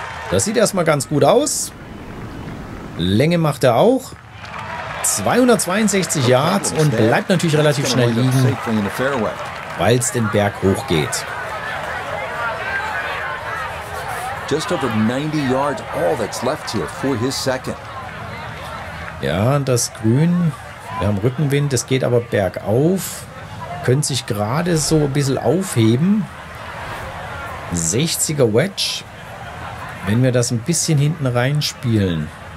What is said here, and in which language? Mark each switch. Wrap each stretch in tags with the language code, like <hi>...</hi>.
<de>Das sieht erstmal ganz gut aus. Länge macht er auch. 262 Yards und bleibt natürlich relativ schnell liegen, weil es den Berg hoch geht.</de> <en>Just over 90 yards, all that's left here for his second.</en> <de>Ja, das Grün Wir haben Rückenwind, das geht aber bergauf. Könnte sich gerade so ein bisschen aufheben. 60er Wedge. Wenn wir das ein bisschen hinten reinspielen.</de>